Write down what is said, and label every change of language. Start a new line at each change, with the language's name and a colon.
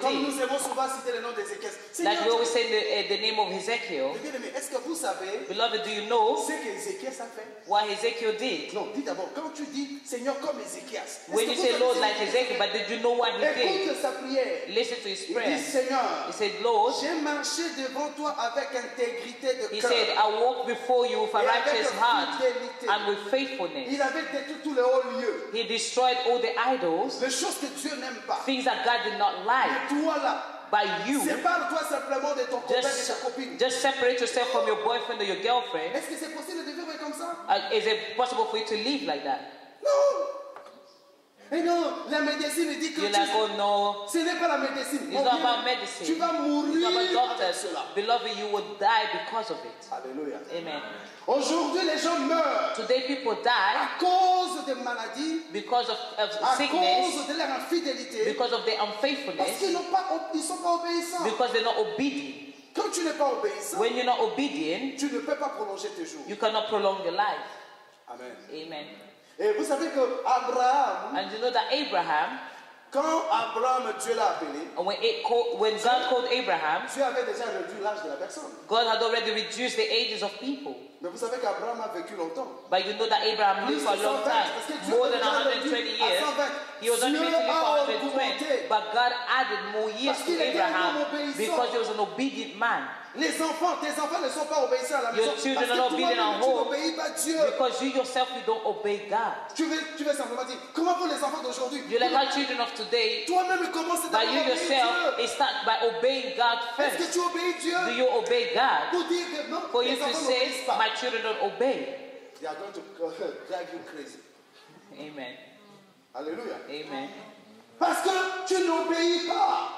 French: Comme nous aimons souvent citer le nom d'Ezekiel.
English: Like we always say the name of Ezekiel.
French: Est-ce que vous savez,
English: beloved, do you know
French: ce qu'Ezekiel a fait?
English: What Ezekiel did?
French: Non, dis d'abord, quand tu dis, Seigneur, comme Ezekiel.
English: When you say, Lord, like Ezekiel, but did you know what he
French: écoute
English: did?
French: Écoute sa prière.
English: Listen to his prayer.
French: Il dit, Seigneur,
English: he said, Lord,
French: j'ai marché devant toi avec intégrité de
English: he said, I walk before you with a righteous heart and with faithfulness.
French: Il avait détruit tous les hauts lieux.
English: He destroyed all the idols.
French: Les choses que Dieu n'aime pas.
English: Things that God did not like.
French: Et toi là.
English: By you.
French: Sépare-toi simplement de ton copain et de ta copine.
English: Just separate yourself from your boyfriend or your girlfriend.
French: Est-ce que c'est possible de vivre comme ça?
English: Is it possible for you to live like that?
French: Non. Et non, la médecine dit que
English: you're
French: tu.
English: Like, oh, no.
French: Ce n'est pas la médecine.
English: It's not about medicine.
French: Tu vas mourir.
English: It's not about doctors. Beloved, you will die because of it. Alléluia. Amen.
French: Aujourd'hui, les gens meurent.
English: Today, people die.
French: À cause de maladies.
English: Because of
French: à
English: sickness.
French: À cause de leur infidélité.
English: Because of their unfaithfulness.
French: Parce qu'ils n'ont pas, ils sont pas obéissants.
English: Because they're not obedient.
French: Quand tu n'es pas obéissant.
English: When you're not obedient.
French: Tu ne peux pas prolonger tes jours.
English: You cannot prolong your life. Amen. Amen.
French: Et vous savez que Abraham,
English: and you know that Abraham,
French: quand Abraham Dieu l'a appelé,
English: when God called Abraham,
French: Dieu avait déjà réduit l'âge de la personne.
English: God had already reduced the ages of people.
French: Mais vous savez qu'Abraham a vécu longtemps.
English: But you know that Abraham lived for a long time, more than 120 years. He was only meant to live for 120, but God added more years to Abraham because he was an obedient man.
French: Les enfants, tes enfants ne sont pas obéissants à la
English: your
French: maison.
English: Children
French: parce
English: are not
French: que toi-même, tu n'obéis pas à Dieu.
English: Because you yourself, you don't obey God.
French: Tu veux simplement dire, comment vont les enfants d'aujourd'hui?
English: You're like our children of today.
French: Toi-même, commence d'abord.
English: By you yourself, it starts by obeying God first.
French: Est-ce que tu obéis Dieu?
English: Do you obey God?
French: Pour dire que non,
English: for
French: les
English: you to say, my children don't obey. They are going to drive you crazy. Amen. Alléluia. Amen.
French: Parce que tu n'obéis pas.